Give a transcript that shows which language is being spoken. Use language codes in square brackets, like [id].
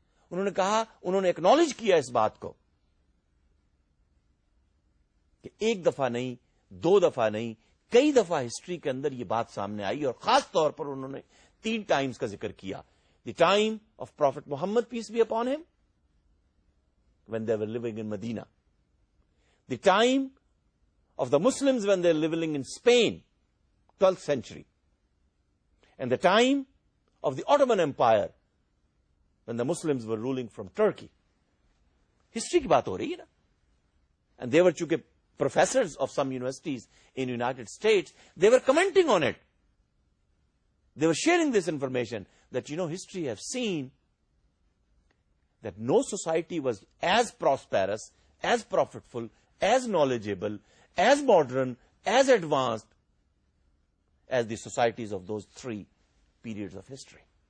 [ur] انہوں نے کہا, انہوں نے اکنالج کیا اس بات کو کہ ایک دفعہ نہیں, دو دفعہ نہیں, کئی دفعہ ہسٹری کے اندر یہ بات سامنے آئی. اور خاص طور پر انہوں نے تین ٹائمز کا ذکر کیا, [en] The time of prophet Muhammad peace be upon him when they were living in Medina, the time of the Muslims when they living in Spain 12th century, and the time of the Ottoman empire when the Muslims were ruling from Turkey. [ur] History ki baat ho rahi hai na. [en] And they were chuke professors of some universities in United States, they were commenting on it. They were sharing this information that, you know, history have seen that no society was as prosperous, as profitful, as knowledgeable, as modern, as advanced as the societies of those three periods of history.